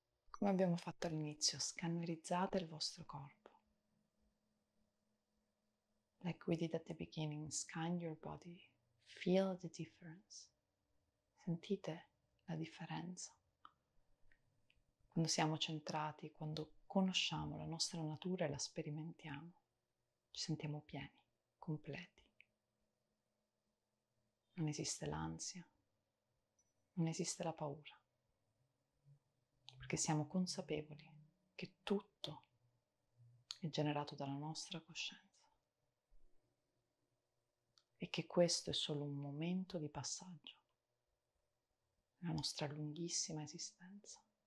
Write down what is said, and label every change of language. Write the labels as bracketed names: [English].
[Italian] Come abbiamo fatto all'inizio, scannerizzate il vostro corpo. [English] Like we did at the beginning, scan your body, feel the difference. [Italian] Sentite la differenza. Quando siamo centrati, quando conosciamo la nostra natura e la sperimentiamo, ci sentiamo pieni, completi. Non esiste l'ansia. Non esiste la paura, perché siamo consapevoli che tutto è generato dalla nostra coscienza e che questo è solo un momento di passaggio nella nostra lunghissima esistenza.